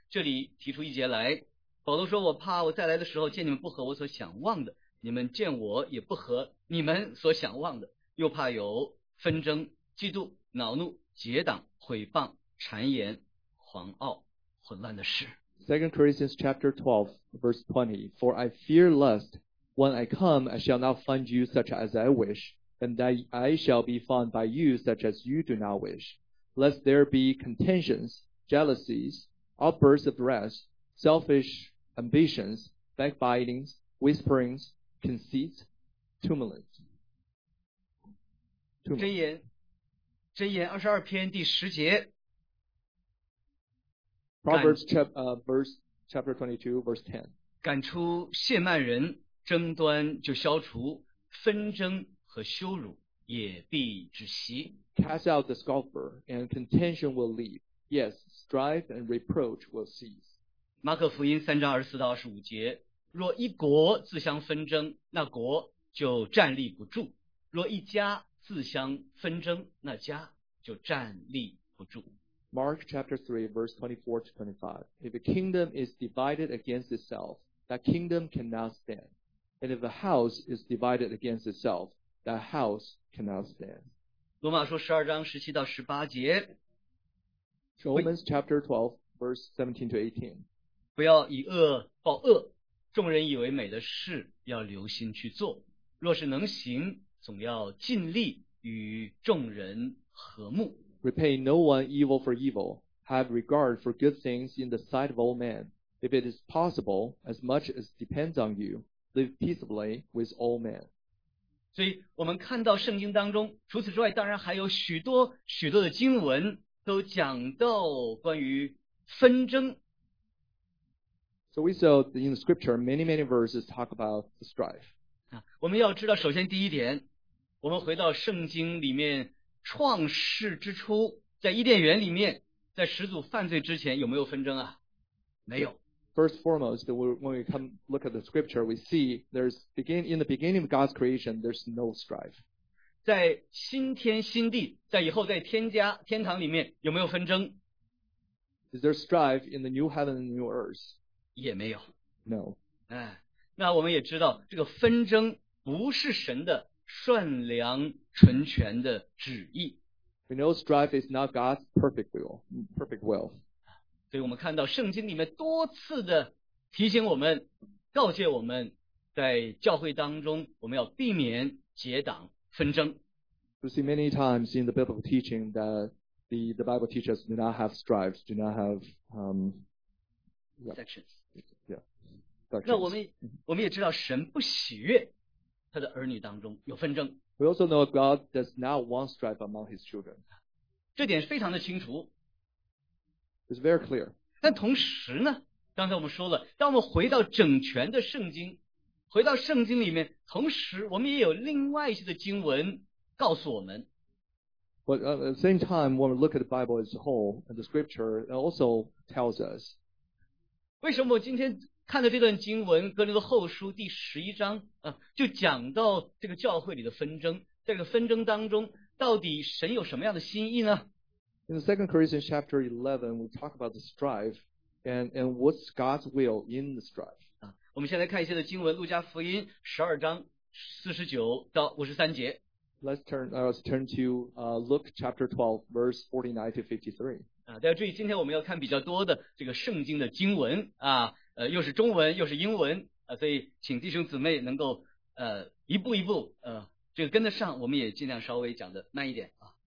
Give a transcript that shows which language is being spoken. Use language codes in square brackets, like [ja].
[zh] 这里提出一节来，保罗说：“我怕我再来的时候见你们不合我所想望的，你们见我也不合你们所想望的，又怕有纷争、嫉妒、恼怒、结党、毁谤、谗言、狂傲、混乱的事。” [en] Second Corinthians chapter 12 verse 20 For I fear lest when I come I shall not find you such as I wish. And that I shall be found by you such as you do not wish, lest there be contentions, jealousies, outbursts of wrath, selfish ambitions, backbitings, whisperings, conceits, tumults. [zh] 箴言二十二篇第十节。 [en] Proverbs chapter 22 verse 10. [zh] 赶出亵慢人，争端就消除，纷争。和羞辱也必止息。 [en] Cast out the scoffer, and contention will leave. Yes, strife and reproach will cease. [zh] 马可福音三章二十四到二十五节：若一国自相纷争，那国就站立不住；若一家自相纷争，那家就站立不住。 [en] Mark chapter 3, verse 24 to 25. If a kingdom is divided against itself, that kingdom cannot stand. And if a house is divided against itself,That house cannot stand. [zh] 罗马书十二章十七到十八节。 [en] Romans chapter 12, verse 17 to 18. [zh] 不要以恶报恶，众人以为美的事要留心去做，若是能行，总要尽力与众人和睦。 [en] Repay no one evil for evil. Have regard for good things in the sight of all men. If it is possible, as much as depends on you, live peaceably with all men. [zh] 所以我们看到圣经当中除此之外当然还有许多许多的经文都讲到关于纷争 [en] So we saw in the scripture many many verses talk about the strife、 [zh] 啊、我们要知道首先第一点我们回到圣经里面创世之初在伊甸园里面在始祖犯罪之前有没有纷争啊没有 [en] First foremost, when we come look at the scripture, we see there's in the beginning of God's creation, there's no strife. [zh] 在新天新地，在以后在天家天堂里面有没有纷争 [en] ？Is there strife in the new heaven and new earth? [zh] 也没有。 [en] No. [zh] 哎，那我们也知道这个纷争不是神的善良纯全的旨意。 [en] We know strife is not God's perfect will. [zh] 所以我们看到圣经里面多次的提醒我们告诫我们在教会当中我们要避免结党纷争 [en] We see many times in the biblical teaching that the Bible teaches do not have strifes, do not have sections. Yeah. [zh] 那我们也知道神不喜悦他的儿女当中有纷争。 [en] We also know God does not want strife among his children. [zh] 这点非常的清楚。 [en] It's very clear. [zh] 但同时呢，刚才我们说了，当我们回到整全的圣经，回到圣经里面，同时我们也有另外一些的经文告诉我们。 [en] But at the same time, when we look at the Bible as a whole, and the scripture, it also tells us. [zh] 为什么我今天看到这段经文，格林多后书第十一章啊，就讲到这个教会里的纷争，在这个纷争当中，到底神有什么样的心意呢？ [en] In the Second Corinthians chapter 11, we talk about the strife, and what's God's will in the strife. [zh] 啊，我们先来看一些的经文，路加福音十二章四十九到五十三节。 [en] Let's turn to Luke chapter 12, verse 49 to 53. [zh] 大家注意，今天我们要看比较多的这个圣经的经文啊，又是中文又是英文啊，所以请弟兄姊妹能够一步一步这个跟得上，我们也尽量稍微讲的慢一点啊。